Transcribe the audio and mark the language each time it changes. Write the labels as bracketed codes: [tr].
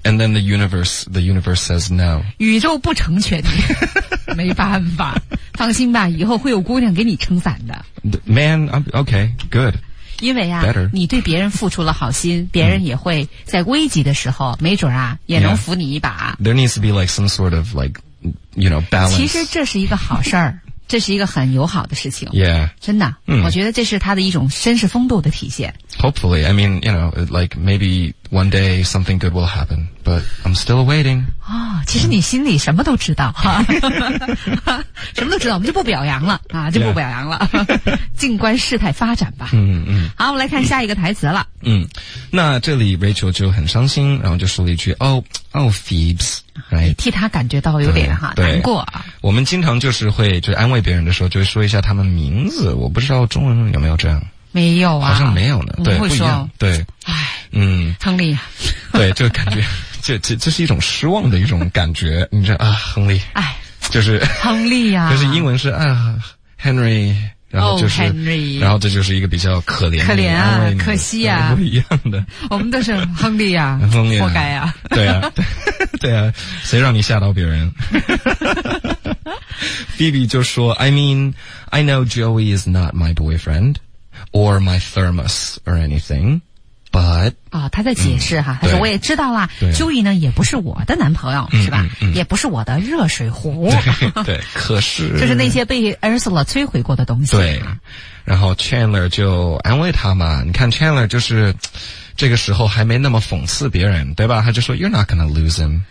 [en] Yeah. And then the universe says no. [zh] 宇宙不成全你，没办法，放心吧，以后会有姑娘给你撑伞的。 [en] Man, okay, good. [zh] 因为啊、 [en] Better. [zh] 你对别人付出了好心，别人也会在危急的时候，没准啊，也能扶你一把。 [en] Yeah. There needs to be like some sort of like, you know, balance. [zh] 其实这是一个好事儿。这是一个很友好的事情 [en] yeah, [zh] 真的、嗯、我觉得这是他的一种绅士风度的体现。 [en] Hopefully, I mean, you know, like maybe one day something good will happen, but I'm still waiting、 [zh] 哦、其实你心里什么都知道、嗯、什么都知道，我们就不表扬了、啊、就不表扬了、 [en] yeah. [zh] 静观事态发展吧、嗯嗯、好，我们来看下一个台词了、嗯、那这里 Rachel 就很伤心，然后就说了一句 [en] Oh Phoebs Right. [zh] 你替他感觉到有点哈难过啊。我们经常就是会就安慰别人的时候就会说一下他们名字，我不知道中文有没有这样。没有啊，好像没有呢。对，不一样。对，唉，嗯，亨利，对，就感觉这是一种失望的一种感觉。你这啊，亨利，唉，就是亨利啊，就是英文是啊 Henry， 然后就是、 [en] oh, Henry， [zh] 然后这就是一个比较可怜可怜啊，可惜啊，不一样的。我们都是亨利啊，亨利、啊，活该啊，对啊。对啊，谁让你吓到别人？ Phoebe 就说 [en] I mean, I know Joey is not my boyfriend or my thermos or anything, but...、 [zh] 哦、他在解释哈、嗯、他说我也知道啊 Joey 呢也不是我的男朋友是吧、嗯嗯嗯、也不是我的热水壶。对，可是就是那些被 Ursula 摧毁过的东西。对，然后 Chandler 就安慰他嘛，你看 Chandler 就是这个时候还没那么讽刺别人，对吧？他就说 [en] You're not gonna lose him，